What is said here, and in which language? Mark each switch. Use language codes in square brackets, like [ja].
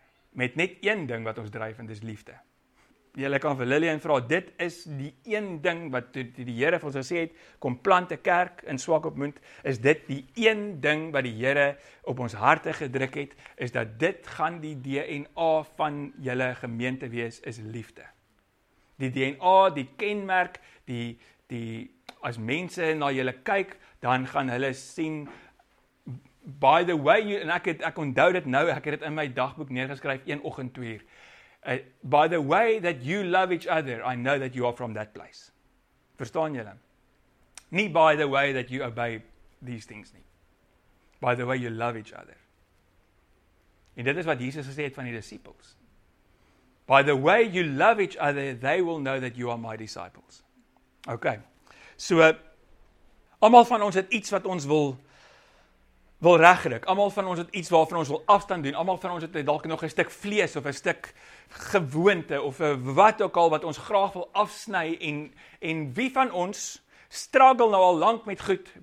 [af] Met net een ding wat ons dryf en dis liefde. Julle kan vir Lillian vra, dit is die een ding wat die Here vir ons gesê het, kom plant 'n kerk in Swakopmund, is dit die een ding wat die Here op ons harte gedruk het, is dat dit gaan die DNA van julle gemeente wees, is liefde. Die DNA, die kenmerk, die as mense na julle kyk, dan gaan hulle sien [en] by the way, [af] en ek onthou dit nou, ek het dit in my dagboek neergeskryf, een oggend 2:00. [en] By the way that you love each other, I know that you are from that place. [af] Verstaan julle? [en] Nie by the way that you obey these things [af] nie. [en] By the way you love each other. [af] En dit is wat Jesus gesê het van die disciples. [en] By the way you love each other, they will know that you are my disciples. Okay. [af] So, almal van ons het iets wat ons wil regryk. Almal van ons het iets waarvan ons wil afstand doen. Almal van ons het dalk nog 'n stuk vlees of 'n stuk gewoonte of wat ook al wat ons graag wil afsny en wie van ons struggle nou al lank met goed.